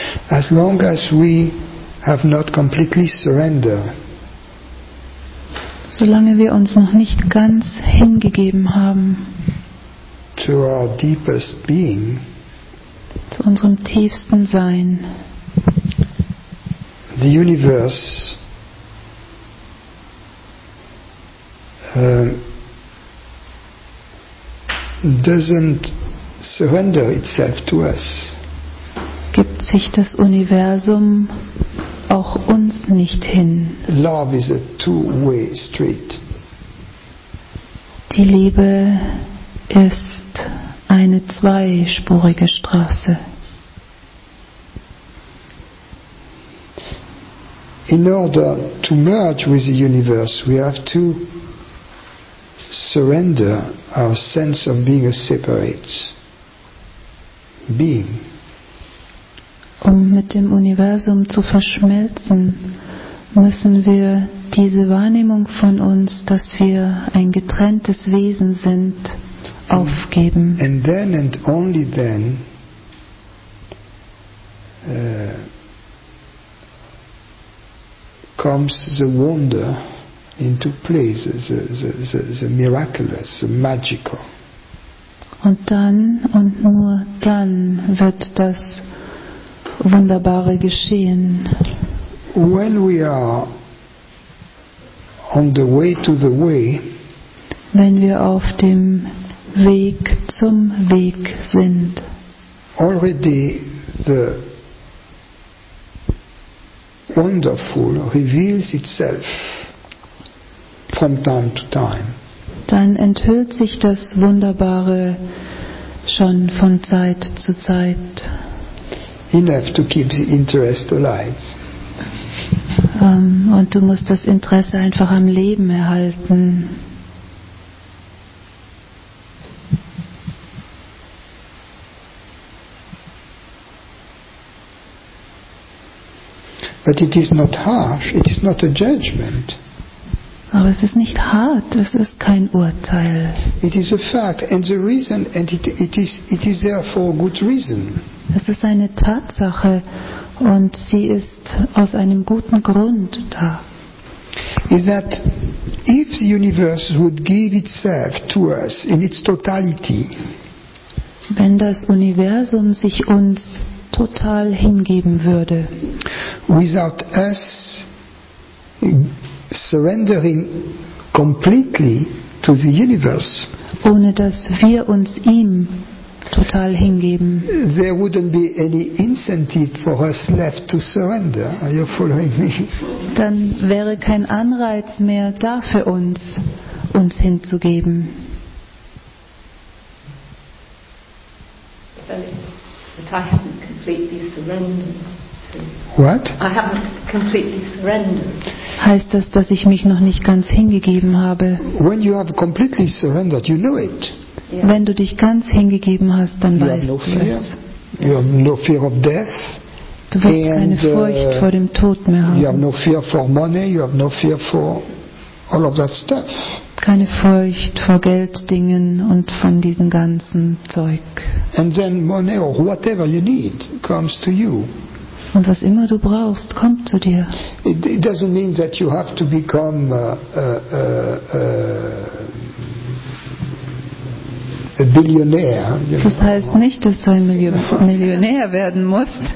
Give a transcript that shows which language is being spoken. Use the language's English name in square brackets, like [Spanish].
[English] As long as we have not completely surrendered. [German] Solange wir uns noch nicht ganz hingegeben haben. [English] To our deepest being, [German] zu unserem tiefsten Sein. [English] The universe doesn't surrender itself to us. [German] Gibt sich das Universum auch uns nicht hin? [English] Love is a two-way street. [German] Die Liebe ist eine zweispurige Straße. [English] In order to merge with the universe, we have to surrender our sense of being a separate being. [German] Um mit dem Universum zu verschmelzen, müssen wir diese Wahrnehmung von uns, dass wir ein getrenntes Wesen sind, aufgeben. [English] And then and only then comes the wonder into place, the miraculous, the magical. [German] Und dann und nur dann wird das Wunderbare geschehen. [English] When we are on the way to the way, [German] wenn wir auf dem Weg zum Weg sind. [English] Already the wonderful reveals itself from time to time. [German] Dann enthüllt sich das Wunderbare schon von Zeit zu Zeit. [English] Enough to keep the interest alive. [German] Und du musst das Interesse einfach am Leben erhalten. [English] But it is not harsh, it is not a judgment. [German] Aber es ist nicht hart, es ist kein Urteil. [English] It is a fact and the reason and it is therefore a good reason. [German] Es ist eine Tatsache und sie ist aus einem guten Grund da. [English] Is that if the universe would give itself to us in its totality? [German] Wenn das Universum sich uns total hingeben würde. [English] Without us surrendering completely to the universe. [German] Ohne dass wir uns ihm total hingeben. [English] There wouldn't be any incentive for us left to surrender. Are you following me? [German] Dann wäre kein Anreiz mehr da für uns, uns hinzugeben. [English] that I haven't completely surrendered. What? I haven't completely surrendered. [German] Heißt das, dass ich mich noch nicht ganz hingegeben habe? [English] When you have completely surrendered, you know it. [German] Yeah. Wenn du dich ganz hingegeben hast, dann [English] you [German] weißt [English] no [German] du [English] fear. [German] Es. [English] You have no fear of death. [German] Du hast keine Furcht vor dem Tod mehr. [English] You have no fear for money, you have no fear for all of that stuff. [German] Keine Furcht vor Geld, Dingen und von diesem ganzen Zeug. [English] And then money or whatever you need comes to you. [German] Und was immer du brauchst, kommt zu dir. [English] It doesn't mean that you have to become a billionaire. [German] Das heißt nicht, dass du ein Millionär werden musst.